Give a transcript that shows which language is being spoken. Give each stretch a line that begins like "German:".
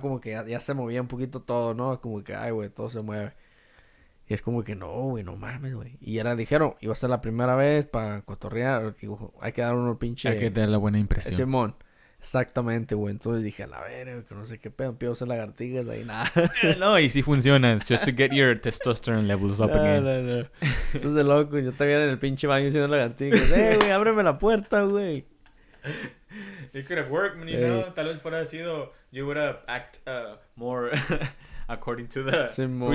Spanish: Como que ya se movía un poquito todo, ¿no? Como que, ay, güey, todo se mueve. Y es como que, no, güey, no mames, güey. Y era, dijeron, iba a ser la primera vez para cotorrear. Digo, hay que dar uno pinche... Hay que dar la buena impresión. Simón. Exactamente, güey. Entonces dije, a la ver, que no sé qué pedo. Empiezo a hacer lagartigas ahí, nada. No, y sí funciona.
English: It's just to get your testosterone levels up again.
Spanish: No. Eso es de loco. Yo todavía en el pinche baño haciendo lagartigas. Güey, ábreme la puerta, güey.
English: It could have worked, man, you know.
Spanish: Tal vez fuera sido,
English: you would have acted more according to the Simón.